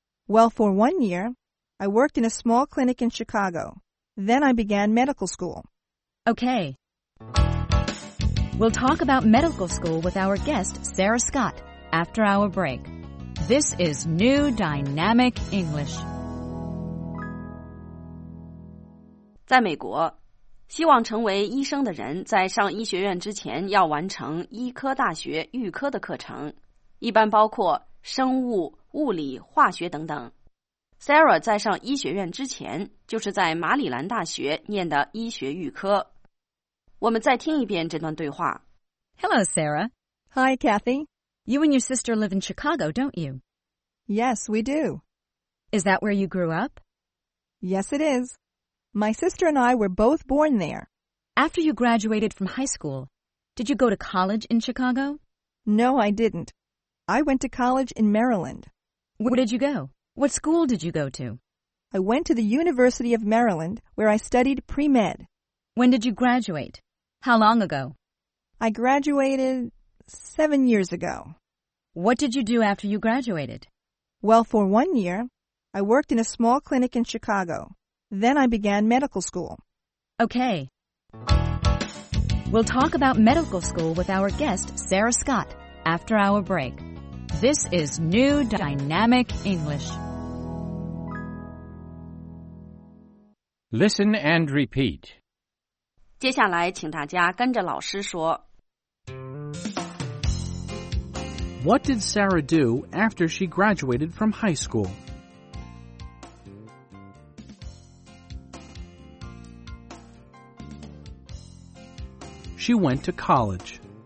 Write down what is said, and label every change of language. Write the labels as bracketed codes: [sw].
[en] Well, for 1 year, I worked in a small clinic in Chicago. Then I began medical school. Okay. We'll talk about medical school with our guest, Sarah Scott, after our break. This is New Dynamic English. [zh] 在美国，希望成为医生的人在上医学院之前要完成医科大学预科的课程，一般包括生物、物理、化学等等。 Sarah 在上医学院之前就是在马里兰大学念的医学预科。我们再听一遍这段对话。 [en] Hello, Sarah. Hi, Kathy. You and your sister live in Chicago, don't you? Yes, we do. Is that where you grew up? Yes, it is. My sister and I were both born there. After you graduated from high school, did you go to college in Chicago? No, I didn't. I went to college in Maryland. Where did you go? What school did you go to? I went to the University of Maryland, where I studied pre-med. When did you graduate? How long ago? I graduated 7 years ago. What did you do after you graduated? Well, for 1 year, I worked in a small clinic in Chicago. Then I began medical school. Okay. We'll talk about medical school with our guest, Sarah Scott, after our break. This is New Dynamic English. Listen and repeat. [zh] 接下来请大家跟着老师说。 [en] What did Sarah do after she graduated from high school? She went to college.